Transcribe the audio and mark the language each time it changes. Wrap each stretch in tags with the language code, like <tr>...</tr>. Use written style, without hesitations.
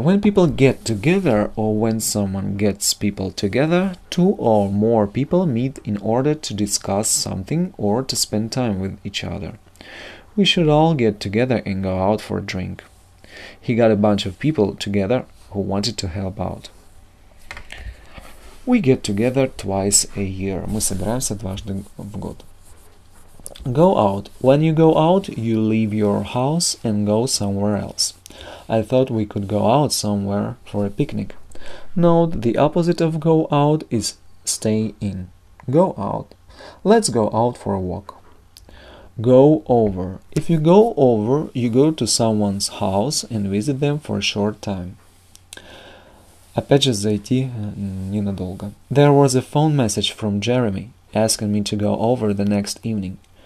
<en>When people get together or when someone gets people together, two or more people meet in order to discuss something or to spend time with each other. We should all get together and go out for a drink. He got a bunch of people together who wanted to help out. We get together twice a year. Мы собираемся дважды в год. Go out. When you go out, you leave your house and go somewhere else. I thought we could go out somewhere for a picnic. Note, the opposite of go out is stay in. Go out. Let's go out for a walk. Go over. If you go over, you go to someone's house and visit them for a short time.</en> <ru>Опять же зайти ненадолго.</ru> <en>There was a phone message from Jeremy asking me to go over the next evening.</en>